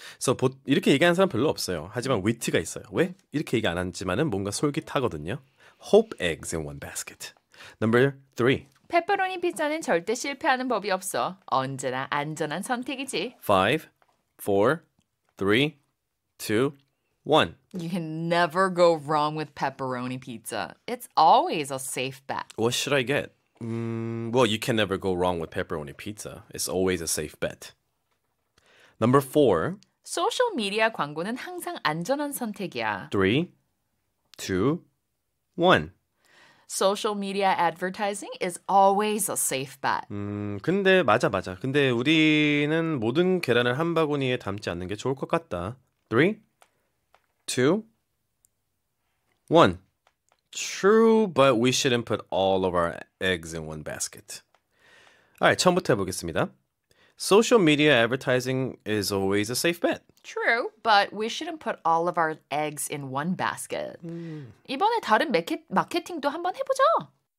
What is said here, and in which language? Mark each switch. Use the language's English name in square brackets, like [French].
[Korean] So 이렇게 얘기하는 사람 별로 없어요. 하지만 위트가 있어요. 왜? 이렇게 얘기 안 하지만은 뭔가 솔깃하거든요. [English] Hope eggs in one basket. Number three. [Korean] 페퍼로니 피자는 절대 실패하는 법이 없어. 언제나 안전한 선택이지. 5, 4, 3, 2, 1. [English] You can never go wrong with pepperoni pizza. It's always a safe bet. What should I get? Well, you can never go wrong with pepperoni pizza. It's always a safe bet. Number four. [Korean] Social media 광고는 항상 안전한 선택이야. 3, 2, 1. [English] Social media advertising is always a safe bet. [Korean] 근데 맞아. 근데 우리는 모든 계란을 한 바구니에 담지 않는 게 좋을 것 같다. 3, 2, 1. [English] True, but we shouldn't put all of our eggs in one basket. Alright, [Korean] 처음부터 해보겠습니다. [English] Social media advertising is always a safe bet. True, but we shouldn't put all of our eggs in one basket. [Korean] 이번에 다른 마케팅도 한번 해보자.